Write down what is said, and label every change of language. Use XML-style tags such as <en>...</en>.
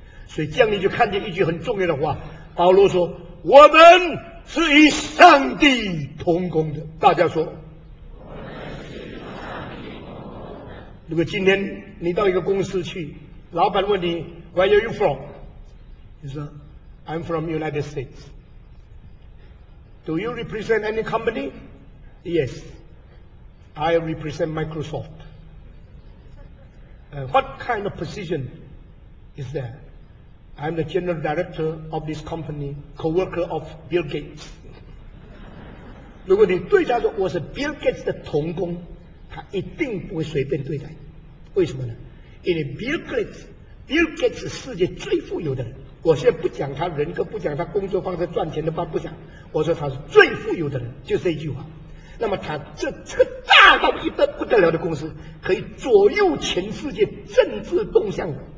<zh>所以这样你就看见一句很重要的话，保罗说，我们是与上帝同工的。大家说，如果今天你到一个公司去，老板问你</zh> <en>Where are you from?</en> <zh>你说</zh> <en>I'm from United States. Do you represent any company? Yes. I represent Microsoft. What kind of position is there? I'm the general director of this company, co-worker of Bill Gates.</en> <zh>如果你对他说我是 Bill Gates 的同工，他一定不会随便对待。为什么呢？因为 Bill Gates 是世界最富有的人。我现在不讲他人格，不讲他工作方式、赚钱的方式，不讲。我说他是最富有的人，就这一句话。那么他这个大到一般不得了的公司，可以左右全世界政治动向的。</zh>